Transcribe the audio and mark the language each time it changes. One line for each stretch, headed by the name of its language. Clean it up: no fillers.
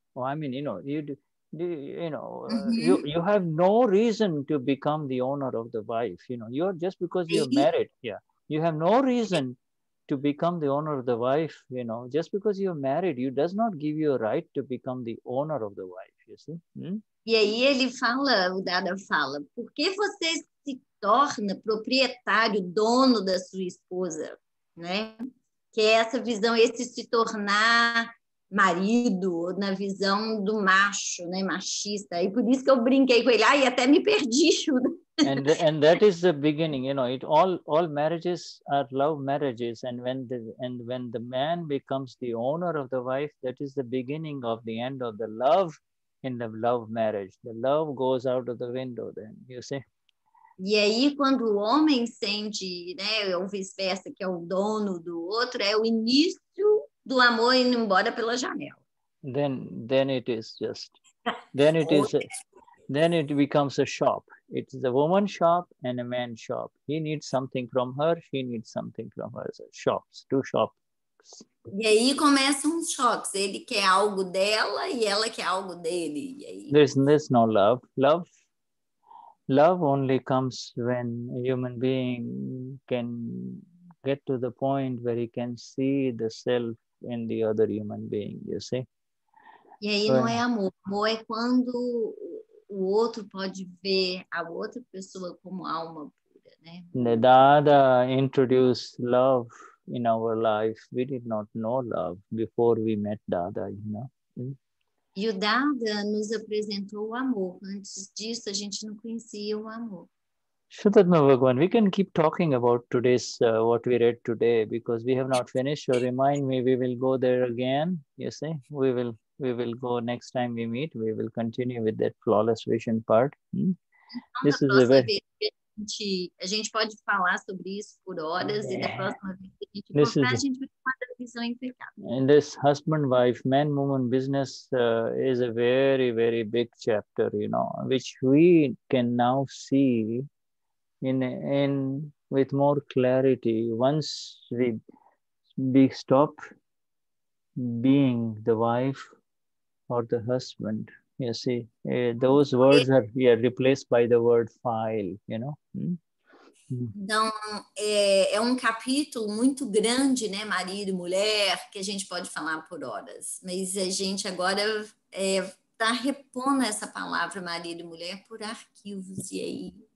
English: Oh, I mean, you know, you have no reason to become the owner of the wife. You know, you're just because you're married. Yeah, you have no reason to become the owner of the wife. You know, just because you're married, you does not give you a right to become the owner of the wife. You see?
Portuguese: E aí ele fala, o Dada fala, por que você se torna proprietário, dono da sua esposa? Né? Que é essa visão, esse se tornar marido, na visão do macho, né? Machista. E por isso que eu brinquei com ele, ai, até me perdi, Shuddha.
English: And that is the beginning, you know, all marriages are love marriages, and when the man becomes the owner of the wife, that is the beginning of the end of the love in the love marriage. The love goes out of the window then, you see.
Portuguese: E aí, quando o homem sente, né, o vice-versa, que é o dono do outro, é o início do amor indo embora pela janela.
English: Then it becomes a shop. It's a woman shop and a man shop. He needs something from her, she needs something from her. So shops, two shops.
Portuguese: E aí começam os choques. Ele quer algo dela e ela quer algo dele. E aí...
English: There's no love. Love only comes when a human being can get to the point where he can see the self in the other human being, you see?
Portuguese: E aí não é amor. Amor é quando o outro pode ver a outra pessoa como alma pura, né?
English: Dada introduced love in our life. We did not know love before we met Dada, you know?
Portuguese: E o Dada nos apresentou o amor. Antes disso, a gente não conhecia o amor.
English: Shuddhatma Bhagwan, we can keep talking about today's, what we read today, because we have not finished. So remind me, we will go there again. You see, we will go next time we meet. We will continue with that flawless vision part.
Portuguese: Então,
English: this is a very...
Portuguese: A gente pode falar sobre isso por horas, yeah. E da próxima vez que a gente contar, a gente vai ter uma visão impecável.
English: And this husband-wife, man-woman business is a very, very big chapter, you know, which we can now see in with more clarity once we stop being the wife or the husband. You see, those words are replaced by the word file, you know.
Portuguese: Então, é um capítulo muito grande, né, marido e mulher, que a gente pode falar por horas. Mas a gente agora está repondo essa palavra marido e mulher por arquivos, e aí...